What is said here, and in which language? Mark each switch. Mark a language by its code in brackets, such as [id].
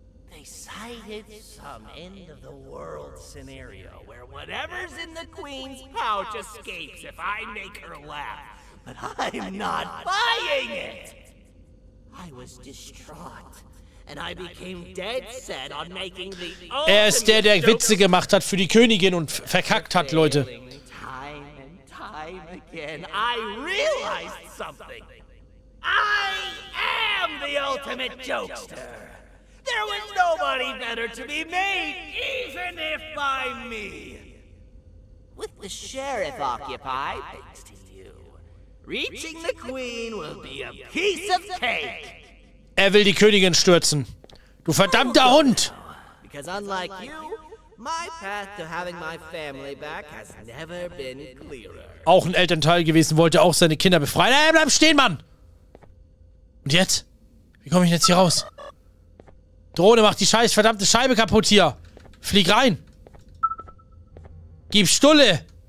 [en] They cited some end of the world scenario where whatever's in the queen's pouch escapes if I make her laugh. But I'm not buying it! I was distraught, and I became dead set on making the ultimate joke. [de] Er ist der, der Witze gemacht hat für die Königin und verkackt hat, Leute. [en] Time and time again, I realized something. I am the ultimate jokester. There was nobody better to be made, even if by me. With the sheriff occupied, reaching the queen will be a piece of cake. [de] Er will die Königin stürzen. Du verdammter Hund! [en] Because unlike you, my path to having my family back has never been clearer. [de] Auch ein Elternteil gewesen, wollte auch seine Kinder befreien. Hey, bleib stehen, Mann! Und jetzt? Wie komme ich jetzt hier raus? Drohne, mach die scheiß verdammte Scheibe kaputt hier. Flieg rein. Gib Stulle.